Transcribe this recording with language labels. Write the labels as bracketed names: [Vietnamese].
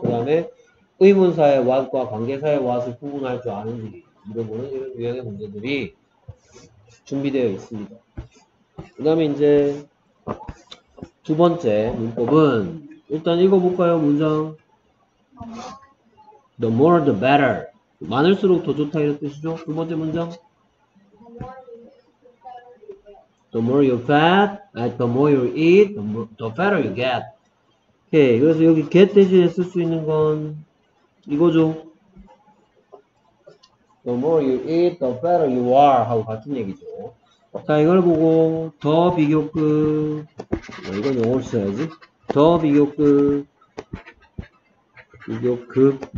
[Korean] 그 다음에 의문사의 what과 관계사의 what을 구분할 줄 아는지 물어보는 이런 유형의 문제들이 준비되어 있습니다. 그 다음에 이제 두 번째 문법은 일단 읽어볼까요? [English] 문장 The more the better. [Korean] 많을수록 더 좋다 이런 뜻이죠? 두 번째 문장. [English] The more you fat, the more you eat, the fatter you get. [Korean] 오케이. 그래서 여기 get 대신에 쓸수 있는 건 이거죠. [English] The more you eat, the fatter you are [Korean] 하고 같은 얘기죠. 자, 이걸 보고 더 비교급. 이건 영어로 써야지. 더 비교급. 비교급.